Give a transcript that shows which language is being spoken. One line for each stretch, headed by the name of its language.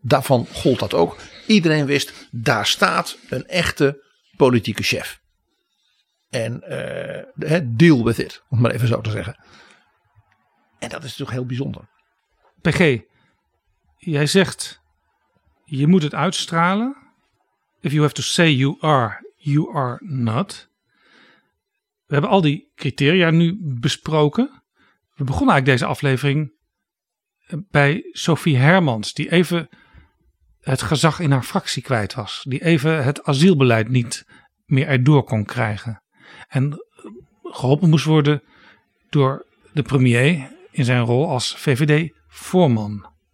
Dutch: Daarvan gold dat ook. Iedereen wist, daar staat een echte politieke chef. En
English: deal with it,
Dutch: om maar even zo te zeggen. En dat is toch heel bijzonder. PG, jij zegt, je moet het uitstralen.
English: If you have to say you are not.
Dutch: We hebben al die criteria nu besproken. We begonnen eigenlijk deze aflevering bij Sophie Hermans, die even het gezag in haar fractie kwijt was. Die even het asielbeleid niet meer erdoor kon krijgen. En geholpen moest worden door de premier in zijn rol als VVD-voorman.